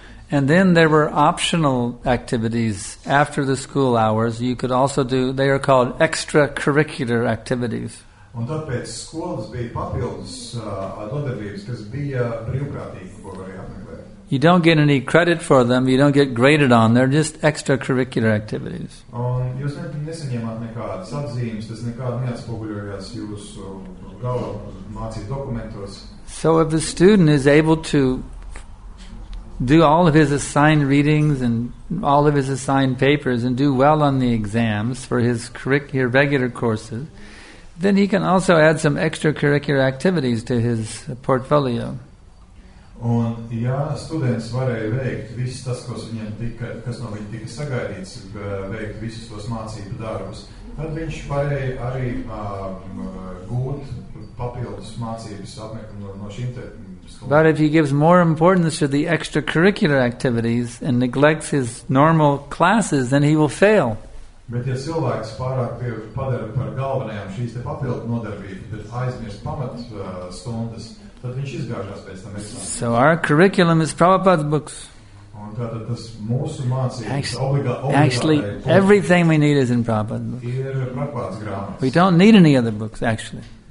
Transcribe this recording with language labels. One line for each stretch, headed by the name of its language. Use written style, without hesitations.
English: And then there were optional activities after the school hours. You could also do, they are called extracurricular activities.
Latvian: Un tad pēc skolas bija papildus dodarbības, kas bija brīvprātīgi, ko varēja apmeklēt.
English: You don't get any credit for them, you don't get graded on, they're just extracurricular activities.
Latvian: Un jūs nesaņemat nekādas atzīmes, tas nekādu neatspoguļojās jūsu galva mācību dokumentos.
English: So if the student is able to do all of his assigned readings and all of his assigned papers and do well on the exams for his regular courses, then he can also add some extracurricular activities to his portfolio.
Latvian: Un ja students varēja veikt visu tas, kas viņam tika, kas no viņa tika sagaidīts, veikt visus tos mācību darbus, tad viņš varēja arī būt papildus mācības apmeklēt no šim te
English: But if he gives more importance to the extracurricular activities and neglects his normal classes, then he will fail.
Latvian: Bet ja cilvēks pārāk padara par galvenajām šīs te papildu nodarbības, bet aizmirst pamat stundas, tad viņš izgāžās pēc tam eksāmeniem.
English: So our curriculum is Prabhupada's books.
Latvian: Un tātad tas mūsu mācības
English: actually, everything we need is in Prabhupada's books.
Latvian: Ir Prabhupada's grāmatas.
English: We don't need any other books, actually.